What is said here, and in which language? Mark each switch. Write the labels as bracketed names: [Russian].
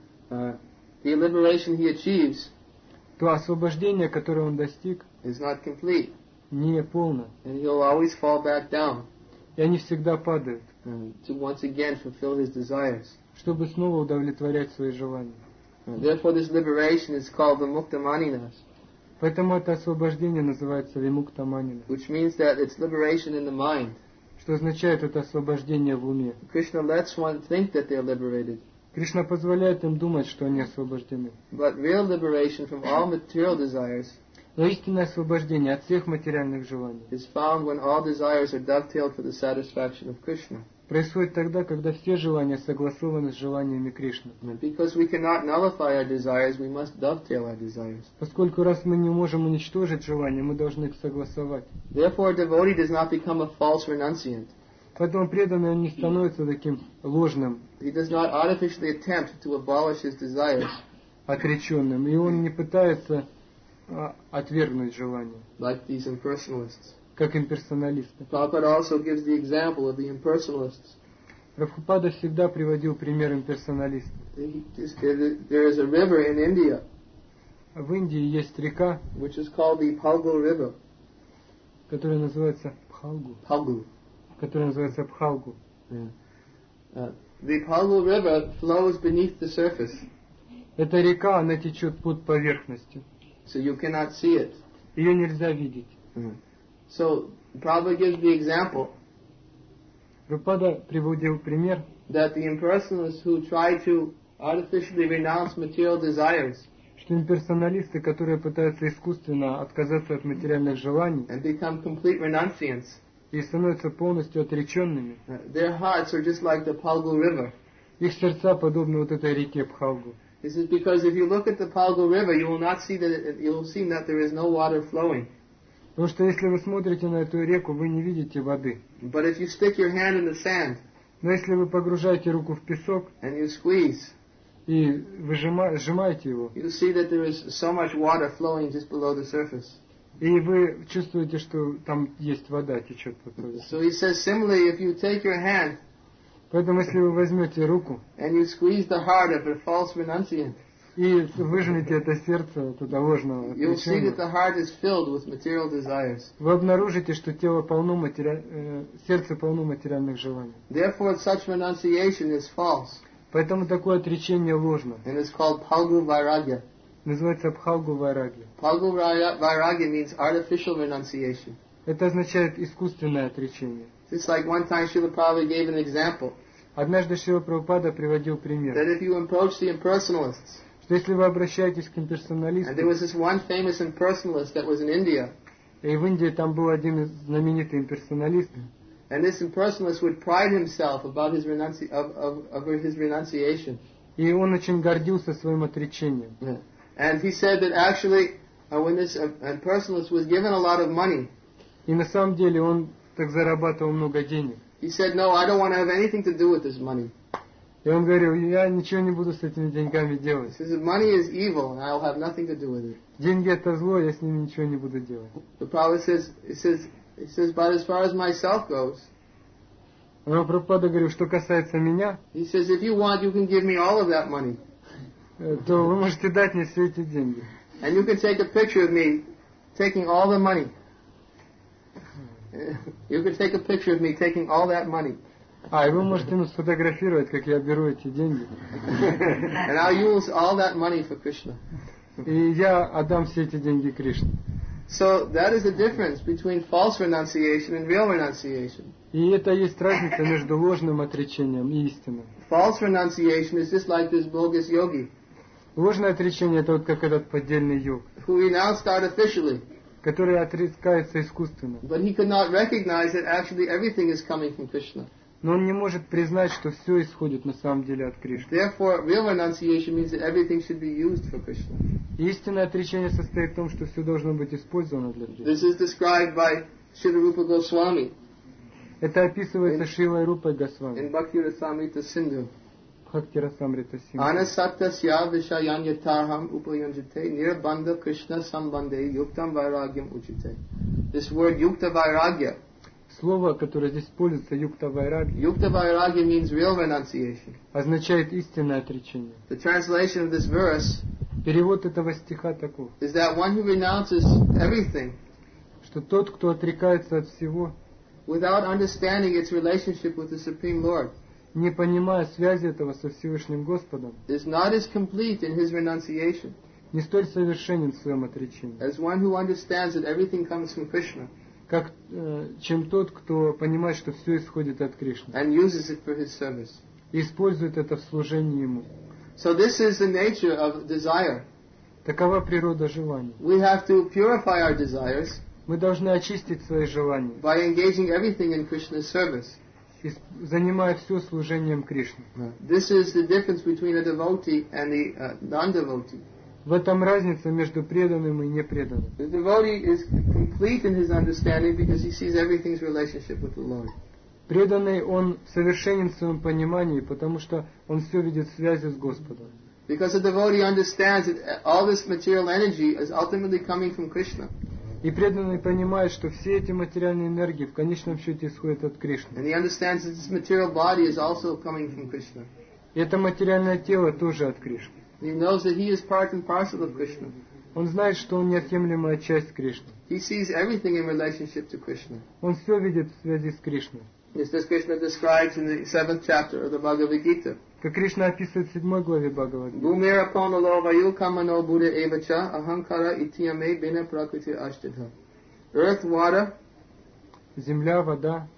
[English] the liberation he achieves, [Russian] то освобождение, которое он достиг, [English] is not complete, [Russian] не полно. [English] And he'll always fall back down, [Russian] и они всегда падают, [English] to once again fulfill his desires, [Russian] чтобы снова удовлетворять свои желания. [English] Therefore, this liberation is called the Muktamaninas, [Russian] поэтому это освобождение называется Vimuktamanina, [English] which means that it's liberation in the mind. [Russian] Что означает это освобождение в уме? [English] Krishna lets one think that they are liberated. [Russian] Кришна позволяет им думать, что они освобождены. [English] But real liberation from all material desires. [Russian] Но истинное освобождение от всех материальных желаний. [English] Is found when all desires are dovetailed for the satisfaction of Krishna. [Russian] Происходит тогда, когда все желания согласованы с желаниями Кришны. [English] Because we cannot nullify our desires, we must dovetail our desires. [Russian] Поскольку раз мы не можем уничтожить желания, мы должны их согласовать. [English] Therefore, a devotee does not become a false renunciant. [Russian] Поэтому преданный не становится таким ложным. [English] He does not artificially attempt to abolish his desires. [Russian] Отреченным, и он не пытается отвергнуть желания. [English] Like these impersonalists. [Russian] Как имперсоналисты. [English] Prabhupada also gives the example of the impersonalists. [Russian] Прабхупада всегда приводил пример имперсоналистов. [English] There is a river in India. [Russian] В Индии есть река, [English] which is called the Phalgu River. [Russian] Которая называется Phalgu. [English] Phalgu. [Russian] Которая называется Phalgu. [English] The Phalgu River flows beneath the surface. [Russian] Эта река, она течет под поверхностью. [English] So you cannot see it. [Russian] Ее нельзя видеть. [English] So Prabhupada gives the example. [Russian] Prabhupada приводил пример. [English] That the impersonalists who try to artificially renounce material desires. [Russian] Что имперсоналисты, которые пытаются искусственно отказаться от материальных желаний. [English] And become complete renunciants. [Russian] И становятся полностью отреченными. [English] Their hearts are just like the Phalgu River. [Russian] Их сердца подобны вот этой реке Phalgu. [English] This is because if you look at the Phalgu River, you will not see that you will see that there is no water flowing. [Russian] Потому что если вы смотрите на эту реку, вы не видите воды. [English] But if you stick your hand in the sand, [Russian] но если вы погружаете руку в песок [English] and you squeeze, [Russian] и вы сжимаете его, [English] you see that there is so much water flowing just below the surface. [Russian] И вы чувствуете, что там есть вода, течет по воде. [English] So he says similarly, if you take your hand, [Russian] поэтому если вы возьмете руку [English] and you squeeze the heart of a false renunciant, [Russian] И выжмите это сердце, это должно. [English] You'll see that the heart is filled with material desires. [Russian] Вы обнаружите, что тело полно сердце полно материальных желаний. [English] Therefore, such renunciation is false. [Russian] Поэтому такое отречение ложно. [English] And it's called phalgu vairagya. [Russian] Называется бхалгу вайрагья. [English] Phalgu vairagya means artificial renunciation. [Russian] Это означает искусственное отречение. [English] It's like one time Srila Prabhupada gave an example. [Russian] Однажды Шрила Прабхупада приводил пример. [English] That if you approach the impersonalists. [Russian] Что если вы обращаетесь к имперсоналистам. [English] And there was this one famous impersonalist that was in India. [Russian] И в Индии там был один знаменитый имперсоналист. [English] And this impersonalist would pride himself about his renunciation. [Russian] И он очень гордился своим отречением. [English] Yeah. And he said that actually when this impersonalist was given a lot of money. [Russian] И на самом деле он так зарабатывал много денег. [English] He said, "No, I don't want to have anything to do with this money." [Russian] И он говорил, я ничего не буду с этими деньгами делать. [English] He says, "Money is evil, and I'll have nothing to do with it." [Russian] Деньги это зло, я с ними ничего не буду делать. [English] The Prabhupada says, "But as far as myself goes." [Russian] Но Прабхупада говорил, что касается меня. [English] He says, "If you want, you can give me all of that money." [Russian] То вы можете дать мне все эти деньги. [English] And you can take a picture of me taking all the money. You can take a picture of me taking all that money. [Russian] А, и вы можете сфотографировать, как я беру эти деньги. [English] And I'll use all that money for Krishna. [Russian] И я отдам все эти деньги Кришне. [English] So that is the difference between false renunciation and real renunciation. [Russian] И это есть разница между ложным отречением и истинным. [English] False renunciation is just like this bogus yogi. [Russian] Ложное отречение это вот как этот поддельный йог. [English] Who renounced artificially. [Russian] Который отрицается искусственно. [English] But he could not recognize that actually everything is coming from Krishna. [Russian] Но он не может признать, что все исходит на самом деле от Кришны. [English] Therefore, real renunciation means that everything should be used for Krishna. [Russian] Истинное отречение состоит в том, что все должно быть использовано для Кришны. [English] This is described by Srila Rupa Goswami. [Russian] Это описывается Шрилой Рупой Госвами. [English] In Bhakti Rasamrita Sindhu. [Russian] Bhakti Rasamrita Sindhu. [Sanskrit] Anasattasya vishayanyataham upayanjate nirbandha Krishna sambandhe yuktam vairagyam uchite. [English] This word yukta vairagya. [Russian] Слово, которое здесь используется, [English] юкта вайрагья means real renunciation. [Russian] Означает истинное отречение. [English] The translation of this verse. [Russian] Перевод этого стиха таков. [English] Is that one who renounces everything. [Russian] Что тот, кто отрекается от всего. [English] Without understanding its relationship with the Supreme Lord. [Russian] Не понимая связи этого со Всевышним Господом. [English] Is not as complete in his renunciation. [Russian] Не столь совершенен в своем отречении. [English] As one who understands that everything comes from Krishna. [Russian] Как чем тот, кто понимает, что все исходит от Кришны. [English] And uses it for his service. [Russian] И использует это в служении ему. [English] So this is the nature of desire. [Russian] Такова природа желания. [English] We have to purify our desires. [Russian] Мы должны очистить свои желания. [English] By engaging everything in Krishna's service. [Russian] И занимая все служением Кришны. [English] This is the difference between a devotee and the non-devotee. [Russian] В этом разница между преданным и непреданным. [English] The devotee is complete in his understanding because he sees everything's relationship with the Lord. [Russian] Преданный он совершенен в своем понимании, потому что он все видит в связи с Господом. [English] Because the devotee understands that all this material energy is ultimately coming from Krishna. [Russian] И преданный понимает, что все эти материальные энергии в конечном счете исходят от Кришны. [English] And he understands that this material body is also coming from Krishna. [Russian] И это материальное тело тоже от Кришны. [English] He knows that he is part and parcel of Krishna. [Russian] Он знает, что он неотъемлемая часть Кришны. [English] He sees everything in relationship to Krishna. [Russian] Он все видит в связи с Кришной. [English] As Krishna describes in the 7th chapter of the Bhagavad Gita. [Russian] Как Кришна описывает в 7 главе Бхагавад Гиты. [Sanskrit] Бумера панало ваю камано буде эвача аханкара итьяме бина пракрити аштидха. [English] Earth, water. [Russian] Земля, вода.